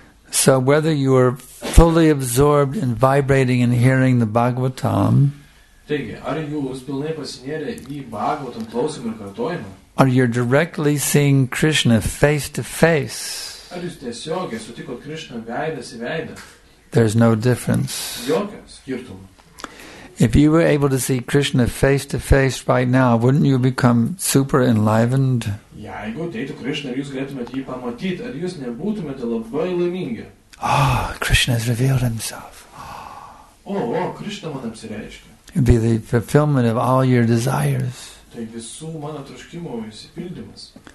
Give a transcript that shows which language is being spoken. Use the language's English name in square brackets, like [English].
[English] So whether you are fully absorbed in vibrating and hearing the Bhagavatam, or you're directly seeing Krishna face to face, [Lithuanian] ar jūs tiesiogiai sutikot Krishna veidas į veidą? [English] There's no difference. [Lithuanian] Jokio skirtumo. [English] If you were able to see Krishna face to face right now, wouldn't you become super enlivened? [Lithuanian] Jeigu ateitų Krishna, ar jūs galėtumėte jį pamatyti, ar jūs nebūtumėte labai laimingi? [English] Oh, Krishna has revealed himself. [Lithuanian] Krishna man apsireiškia. [English] It'd be the fulfillment of all your desires. [Lithuanian] Tai visų mano troškimų išsipildymas.